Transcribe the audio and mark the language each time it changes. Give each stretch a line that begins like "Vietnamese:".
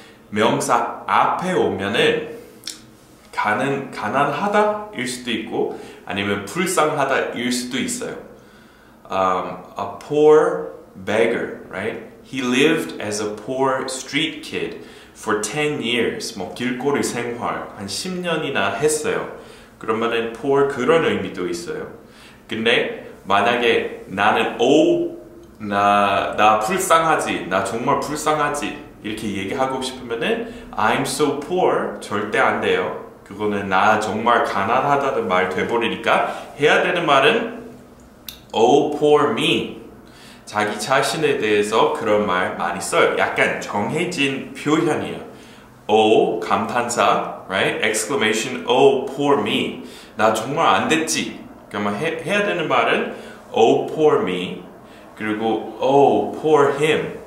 Korean: 명사 앞에 오면은 가난하다 일 수도 있고 아니면 불쌍하다 일 수도 있어요.
English: A poor beggar, right? He lived as a poor street kid for 10 years.
Korean: 뭐 길거리 생활 한 10년이나 했어요. 그러면은 poor 그런 의미도 있어요. 근데 만약에 나는 나 불쌍하지, 나 정말 불쌍하지 이렇게 얘기하고 싶으면은 I'm so poor 절대 안 돼요. 그거는 나 정말 가난하다는 말 돼버리니까 해야 되는 말은 Oh, poor me. 자기 자신에 대해서 그런 말 많이 써요. 약간 정해진 표현이에요.
English: Oh, 감탄사, right? Exclamation, oh, poor me. 나 정말 안 됐지.
Korean: 그러면 해야 되는 말은 Oh, poor me.
English: 그리고 Oh, poor him.